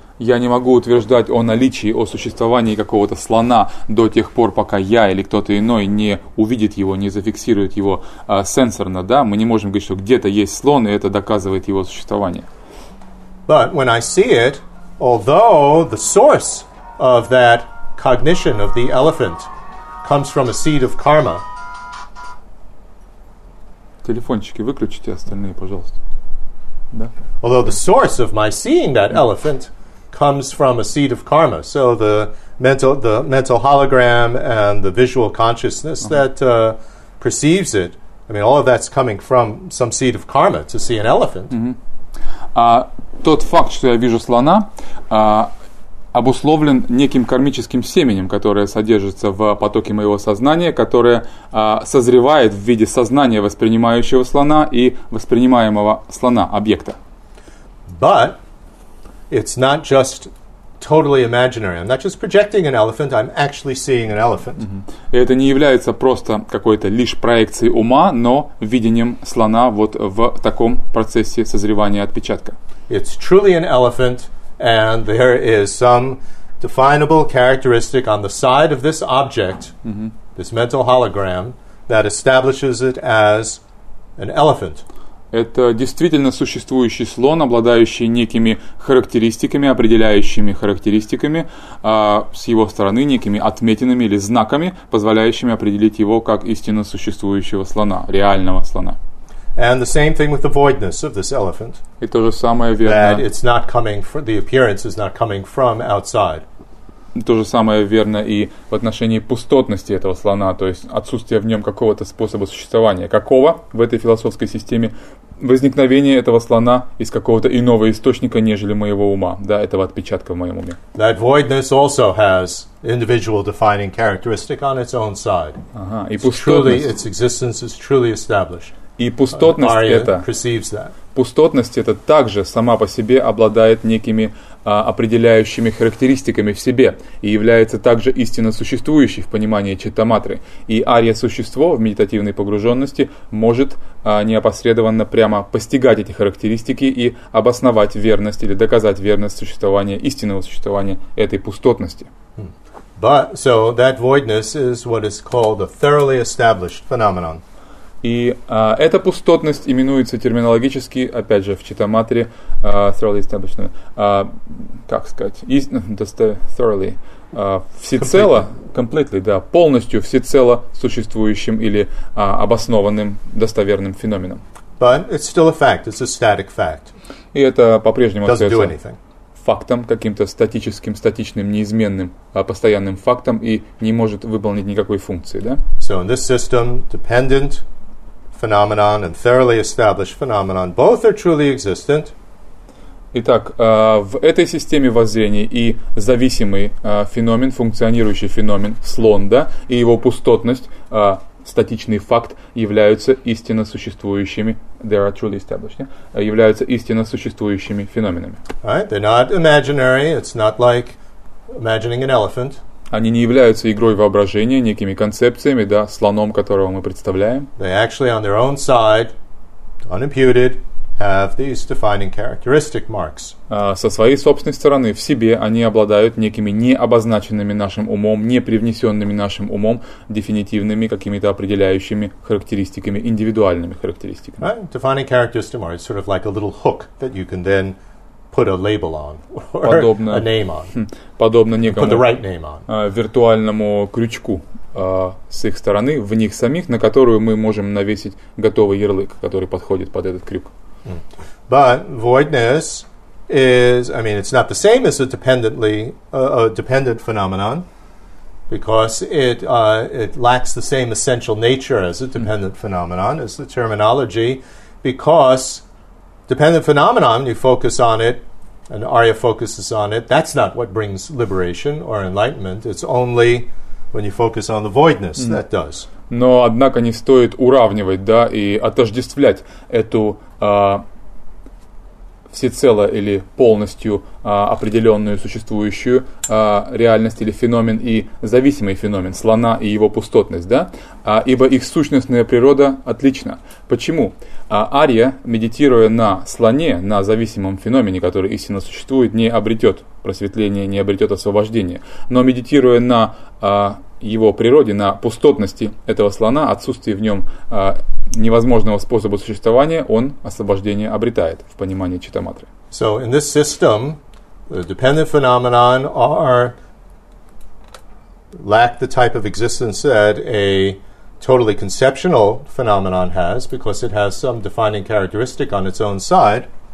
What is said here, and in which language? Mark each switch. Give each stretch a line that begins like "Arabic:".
Russian: Я не могу утверждать о наличии, о существовании какого-то слона до тех пор, пока я или кто-то иной не увидит его, не зафиксирует его сенсорно, да? Мы не можем говорить, что где-то есть слон, и это доказывает его существование.
English: But when I see it, although the source of that cognition of the elephant comes from a seed of karma.
Russian: Телефончики выключите, остальные, пожалуйста. Да?
English: Although the source of my seeing that elephant comes from a seed of karma, so the mental hologram and the visual consciousness that perceives it, I mean, all of that's coming from some seed of karma to see an elephant.
Russian: Тот факт, что я вижу слона, обусловлен неким кармическим семенем, которое содержится в потоке моего сознания, которое созревает в виде сознания воспринимающего слона и воспринимаемого слона, объекта.
English: But it's not just totally imaginary. I'm not just projecting an elephant, I'm actually seeing an elephant.
Russian: Это не является просто какой-то лишь проекцией ума, но видением слона вот в таком процессе созревания отпечатка.
English: It's truly an elephant. And there is some definable characteristic on the side of this object, this mental hologram, that establishes it as an elephant.
Russian: Это действительно существующий слон, обладающий некими характеристиками, определяющими характеристиками, с его стороны некими отметинами или знаками, позволяющими определить его как истинно существующего слона, реального слона.
English: And the same thing with the voidness of this elephant.
Russian: И то же самое верно.
English: That it's not coming from, the appearance is not coming from outside.
Russian: То же самое верно и в отношении пустотности этого слона, то есть отсутствие в нем какого-то способа существования. Какого в этой философской системе возникновение этого слона из какого-то иного источника, нежели моего ума, да, этого отпечатка в моем уме.
English: That voidness also has individual defining characteristic on its own side.
Russian: Ага, и пустотность.
English: Truly, its existence is truly established.
Russian: И пустотность это,
English: perceives that.
Russian: Пустотность это также сама по себе обладает некими определяющими характеристиками в себе и является также истинно существующей в понимании читтаматры. И ария-существо в медитативной погруженности может неопосредованно прямо постигать эти характеристики и обосновать верность или доказать верность существования, истинного существования этой пустотности.
English: But, so that voidness is what is called a thoroughly established phenomenon.
Russian: И эта пустотность именуется терминологически, опять же, в читтаматре
English: thoroughly established,
Russian: как сказать,
English: thoroughly,
Russian: всецело,
English: completely,
Russian: да, полностью всецело существующим или обоснованным достоверным феноменом.
English: But it's still a fact. It's a static fact.
Russian: И это по-прежнему остается фактом, каким-то статическим, статичным, неизменным, постоянным фактом и не может выполнить никакой функции, да?
English: So in this system, dependent phenomenon and thoroughly established phenomenon, both are truly existent.
Russian: Итак, в этой системе воззрений и зависимый феномен, функционирующий феномен, слон, да, и его пустотность, статичный факт, являются истинно существующими,
English: they are truly established, yeah?
Russian: Являются истинно существующими феноменами.
English: Right? They're not imaginary, it's not like imagining an elephant.
Russian: Они не являются игрой воображения, некими концепциями, да, слоном, которого мы представляем.
English: They actually on their own side, unimputed, have these defining characteristic marks.
Russian: Со своей собственной стороны, в себе, они обладают некими не обозначенными нашим умом, не привнесенными нашим умом, дефинитивными какими-то определяющими характеристиками, индивидуальными характеристиками.
English: Right? Defining characteristic marks, sort of like a little hook that you can then put a label on, or
Russian: подобно,
English: a name on.
Russian: Подобно некому
English: put the right name on.
Russian: Виртуальному крючку с их стороны, в них самих, на которую мы можем навесить готовый ярлык, который подходит под этот крюк.
English: But voidness is, I mean, it's not the same as a dependently a dependent phenomenon, because it lacks the same essential nature as a dependent phenomenon, as the terminology, because dependent phenomenon, you focus on it, and Arya focuses on it, that's not what brings liberation or enlightenment, it's only when you focus on the voidness that does.
Russian: Но, однако, не стоит уравнивать, да, и отождествлять эту всецело или полностью определенную существующую реальность или феномен и зависимый феномен слона и его пустотность, да, ибо их сущностная природа отлична. Почему? Ария, медитируя на слоне, на зависимом феномене, который истинно существует, не обретет просветление, не обретет освобождение, но медитируя на его природе, на пустотности этого слона, отсутствии в нем невозможного способа существования, он освобождение обретает в понимании читаматры.
English: So in this system, the dependent phenomenon are lack the type of existence that a totally conceptual phenomenon has, because it has some defining characteristic on its own side.